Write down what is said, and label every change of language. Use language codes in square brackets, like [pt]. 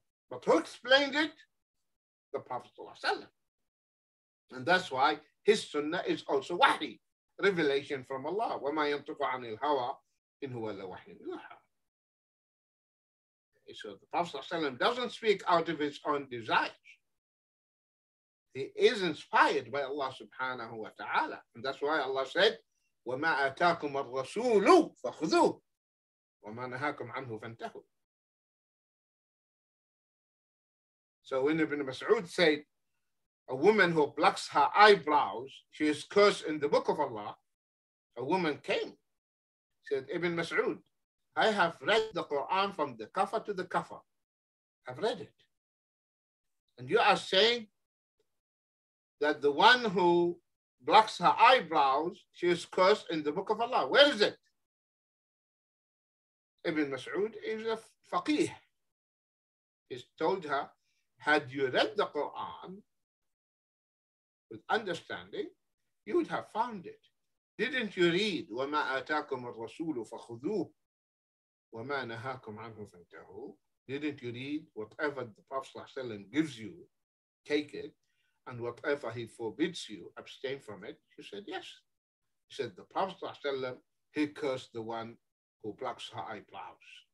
[en] But who explained it? The Prophet ﷺ. And that's why his Sunnah is also wahi, revelation from Allah. [ar] وَمَا يَنْتُقُ عَنِ الْهَوَىٰ إِنْ هُوَ لَوَحِيٌ يُوحَىٰ. [en] So the Prophet ﷺ doesn't speak out of his own desires. He is inspired by Allah subhanahu wa ta'ala. And that's why Allah said, [ar] وَمَا أَتَاكُمَ الرَّسُولُ فَخُذُوهُ وَمَا نَهَاكُمْ عَنْهُ فَانْتَهُوا. [en] So when Ibn Mas'ud said, a woman who plucks her eyebrows, she is cursed in the book of Allah. A woman came, said, Ibn Mas'ud, I have read the Quran from the kafa to the kafa. I've read it. And you are saying that the one who blocks her eyebrows, she is cursed in the book of Allah. Where is it? Ibn Mas'ud is a faqih. He told her, had you read the Quran with understanding, you would have found it. Didn't you read, [ar] وَمَا آتَاكُمُ الرَّسُولُ فَخُذُوهُ وَمَا نَهَاكُمْ عَنْهُ فَانْتَهُوا? [en] Didn't you read, whatever the Prophet ﷺ gives you, take it, and whatever he forbids you, abstain from it? She said, yes. He said, the Prophet ﷺ, he cursed the one who blocks her eyebrows.